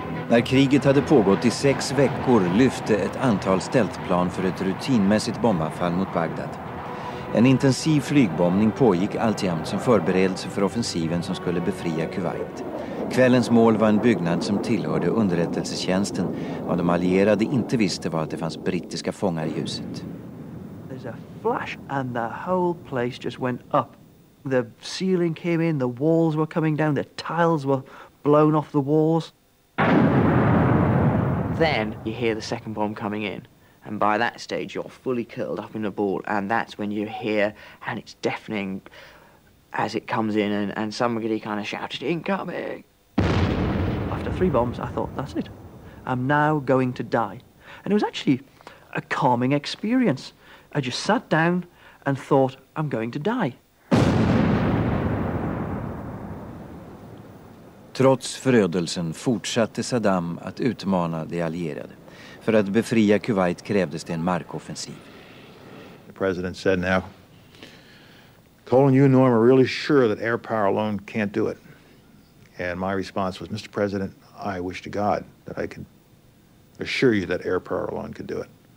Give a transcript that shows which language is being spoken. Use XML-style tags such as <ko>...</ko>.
<sv>När kriget hade pågått i 6 veckor lyfte ett antal stealthplan för ett rutinmässigt bombanfall mot Bagdad. En intensiv flygbombning pågick alltjämt som förberedelse för offensiven som skulle befria Kuwait. Kvällens mål var en byggnad som tillhörde underrättelsetjänsten, och de allierade inte visste var att det fanns brittiska fångar i huset.</sv> <en>There's a flash and the whole place just went up. The ceiling came in, the walls were coming down, the tiles were blown off the walls. Then you hear the second bomb coming in, and by that stage you're fully curled up in a ball, and that's when you hear, and it's deafening as it comes in, and somebody kind of shouted, "Incoming!" After three bombs, I thought, that's it. I'm now going to die. And it was actually a calming experience. I just sat down and thought, I'm going to die.</en> <sv>Trots förödelsen fortsatte Saddam att utmana de allierade. För att befria Kuwait krävdes det en markoffensiv.</sv> <en>The president said now, Colin, you and Norm are really sure that air power alone can't do it. And my response was, Mr. President, I wish to God that I could assure you that air power alone could do it.</en>